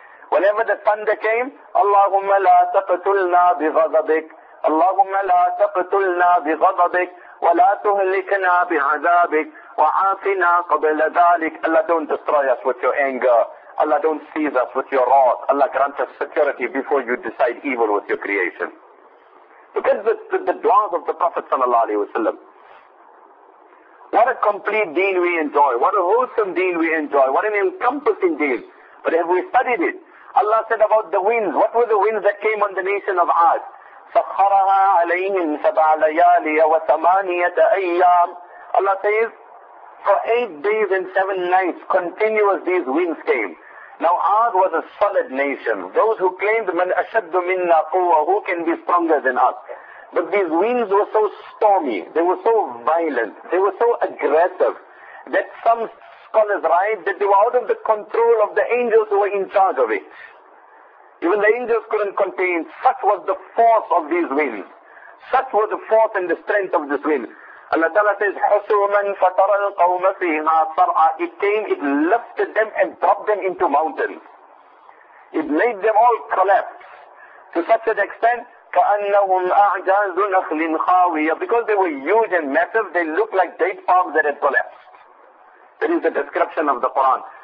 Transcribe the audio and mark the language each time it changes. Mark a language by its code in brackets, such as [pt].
[en] Whenever the thunder came, [ar] اللهم لا تقتلنا بغضبك اللهم لا تقتلنا بغضبك ولا تهلكنا بعذابك وعافنا قبل ذلك. [en] Allah, don't destroy us with your anger. Allah, don't seize us with your wrath. Allah, grant us security before you decide evil with your creation. Look at the du'as of the Prophet sallallahu alaihi wasallam. What a complete deen we enjoy. What a wholesome deen we enjoy. What an encompassing deen. But have we studied it? Allah said about the winds. What were the winds that came on the nation of Ad? [ar] سَخَّرَهَا عَلَيْهِمْ سَبْعَ لَيَالِيَ وَثَمَانِيَةَ أَيَّامٍ. [en] Allah says, for 8 days and 7 nights, continuous these winds came. Now, Ad was a solid nation. Those who claimed, [ar] من أشد منا قوة, [en] who can be stronger than us? But these winds were so stormy, they were so violent, they were so aggressive, that some scholars write that they were out of the control of the angels who were in charge of it. Even the angels couldn't contain, such was the force of these winds. Such was the force and the strength of this wind. Allah Ta'ala says, [ar] حُسُومًا فَتَرَى الْقَوْمَ فِيهَا صَرْعَى. [en] It came, it lifted them and dropped them into mountains. It made them all collapse. To such an extent, [ar] كَأَنَّهُمْ أَعْجَازُ نَخْلٍ خَاوِيَةٍ. [en] Because they were huge and massive, they looked like date palms that had collapsed. That is the description of the Quran.